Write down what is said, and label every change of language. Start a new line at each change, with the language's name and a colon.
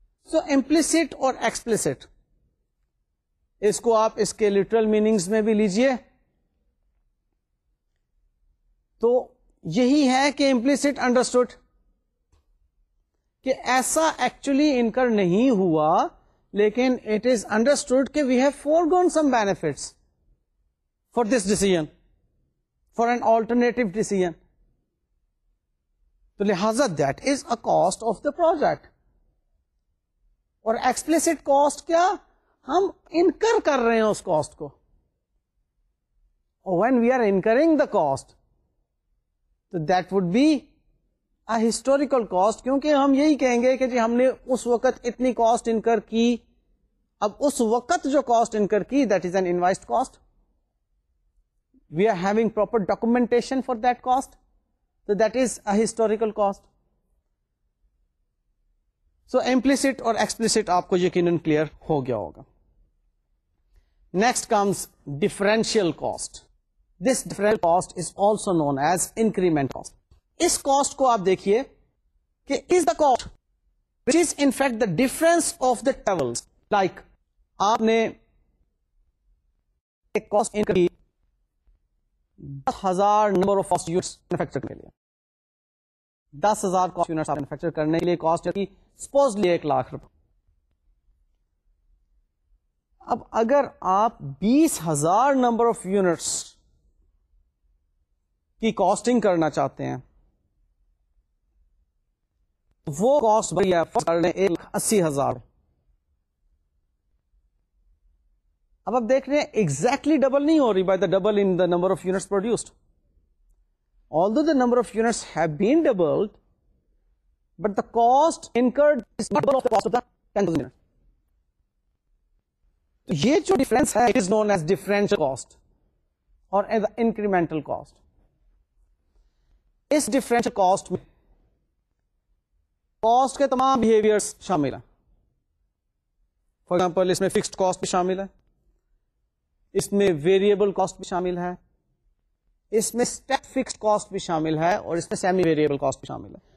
Urdu: سو implicit اور explicit, اس کو آپ اس کے لٹرل میننگز میں بھی لیجئے تو یہی ہے کہ امپلیسٹ انڈرسٹوڈ کہ ایسا ایکچولی انکر نہیں ہوا, لیکن اٹ از انڈرسٹوڈ کہ
English: We have forgone some benefits for this decision for an alternative decision. تو لہذا that is a cost of the project.
Urdu: اور ایکسپلیسٹ کاسٹ کیا, ہم انکر کر رہے ہیں اس کاسٹ کو. اور
English: when we are incurring the cost تو that would be a historical cost,
Urdu: کیونکہ ہم یہی کہیں گے کہ جی ہم نے اس وقت اتنی کاسٹ انکر کی. اب اس وقت جو کاسٹ انکر کی
English: That is an invoiced cost. We are having proper documentation for that cost, تو that is a historical cost.
Urdu: So implicit اور ایکسپلیسٹ آپ کو یقیناً کلیئر ہو گیا ہوگا.
English: Next comes differential cost. This differential cost is also known as increment cost.
Urdu: اس cost کو آپ دیکھیے کہ
English: is the cost which is in fact the difference of the travels.
Urdu: Like آپ نے ایک cost incur کی 10,000 number of cost units manufactured کے لیے, 10,000 cost units آپ manufacture کرنے کے لیے cost کی suppose لیے 1,00,000. اب اگر آپ 20,000 number of units کاسٹنگ کرنا چاہتے ہیں وہ کاسٹ بھیا 1,80,000. اب آپ دیکھ رہے ہیں ایگزیکٹلی ڈبل نہیں ہو رہی
English: By the double in the number of units produced. Although the number of units have been doubled but the cost incurred is double of the cost of the 10,000.
Urdu: تو یہ جو difference ہے
English: It is known as differential cost or as incremental cost.
Urdu: Differential cost میں cost کے تمام behaviours شامل ہیں. فار ایگزامپل اس میں فکسڈ کاسٹ بھی شامل ہے, اس میں ویریبل کاسٹ بھی شامل ہے, اس میں اسٹیپ فکسڈ کاسٹ بھی شامل ہے, اور اس میں سیمی ویریبل کاسٹ بھی شامل ہے.